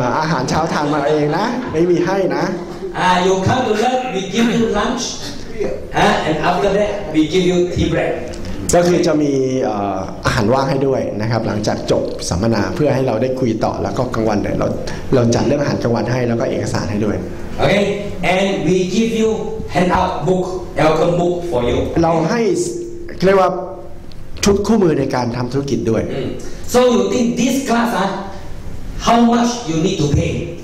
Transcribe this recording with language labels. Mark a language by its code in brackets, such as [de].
[th] อาหารเช้าทานมาเองนะไม่มีให้นะ [en] you come to learn, we give you lunch, and after that we give you tea break. [th] ก็คือจะมีอาหารว่างให้ด้วยนะครับหลังจากจบสัมมนาเพื่อให้เราได้คุยต่อแล้วก็กลางวันเราจัดเรื่องอาหารกลางวันให้แล้วก็เอกสารให้ด้วย [en] okay and we give you handout book, welcome book for you [th] เราให้เรียกว่า ชุดคู่มือในการทำธุรกิจด้วย [en] So you think this class how much you need to pay